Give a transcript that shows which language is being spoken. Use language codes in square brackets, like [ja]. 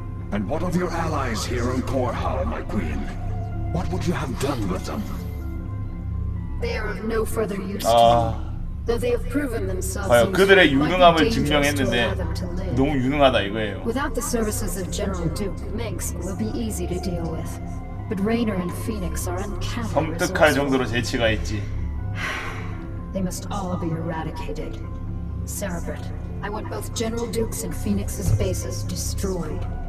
[en] And what of your allies here in Kor-Hal, my queen? What would you have done with them? They are of no further use to me. Though they have proven themselves, [ko] 과연 그들의 유능함을 증명했는데 너무 유능하다 이거예요. [en] Without the services of General Duke, Minx will be easy to deal with. But Rainer and Phoenix are uncanny. [ko] 섬뜩할 정도로 재치가 있지. [en] They must all be eradicated. Cerebrate, I want both General Duke's and Phoenix's bases destroyed.